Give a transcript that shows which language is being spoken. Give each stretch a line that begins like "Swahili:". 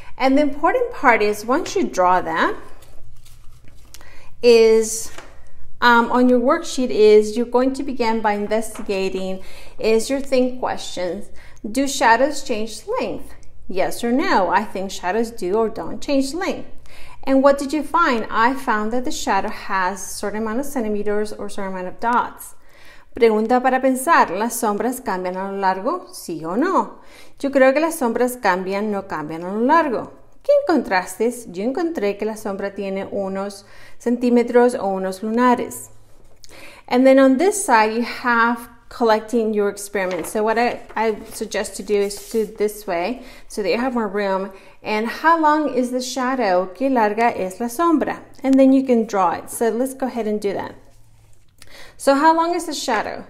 English: And the important part is, once you draw that, is on your worksheet, is you're going to begin by investigating, is your think questions. Do shadows change length? Yes or no? I think shadows do or don't change length. And what did you find? I found that the shadow has a certain amount of centimeters or a certain amount of dots.
Spanish: Pregunta para pensar, ¿las sombras cambian a lo largo? ¿Sí o no? Yo creo que las sombras cambian, no cambian a lo largo. ¿Qué encontraste? Yo encontré que la sombra tiene unos centímetros o unos lunares.
English: And then on this side, you have collecting your experiments. So what I suggest to do is do it this way, so that you have more room. And how long is the shadow?
Spanish: ¿Qué larga es la sombra?
English: And then you can draw it. So let's go ahead and do that. So how long is the shadow?